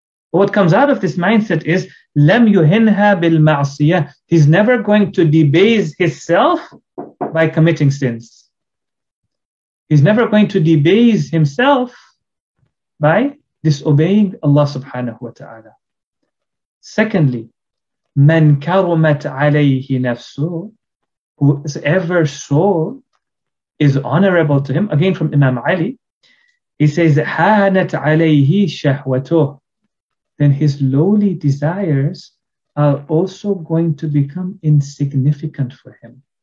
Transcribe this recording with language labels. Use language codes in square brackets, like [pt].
[en] What comes out of this mindset is, [ar] لَمْ يُهِنْهَا بِالْمَعْصِيَةِ. [en] He's never going to debase himself by committing sins. He's never going to debase himself by disobeying Allah subhanahu wa ta'ala. Secondly, [ar] مَنْ كَرُمَتْ عَلَيْهِ نَفْسُهُ. [en] Whoever soul is honorable to him. Again from Imam Ali, he says, [ar] حَانَتْ عَلَيْهِ شَهْوَتُهُ. [en] Then his lowly desires are also going to become insignificant for him.